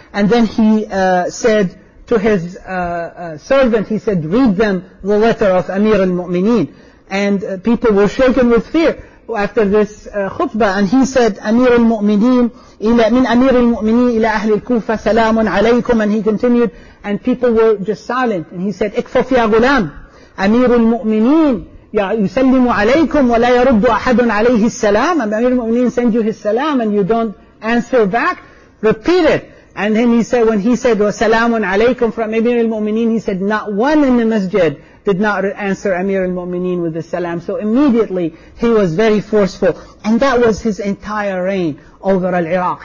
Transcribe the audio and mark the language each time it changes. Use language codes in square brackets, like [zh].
[en] And then he said to his servant, he said, read them the letter of Amir al-Mu'mineen. And people were shaken with fear after this khutbah. And he said, Amir al-Mu'mineen, [ar] من أمير المؤمنين إلى أهل الكوفة سلام عليكم. [en] And he continued, and people were just silent. And he said, [ar] اكفف يا غلام, أمير المؤمنين يسلم عليكم ولا يرد أحد عليه السلام. [en] أمير المؤمنين send you his salam and you don't answer back. Repeat it. And then he said, when he said [ar] وسلام عليكم [en] from أمير المؤمنين, he said not one in the masjid did not answer Amir al-Mu'mineen with the salam. So immediately he was very forceful, and that was his entire reign over al-Iraq.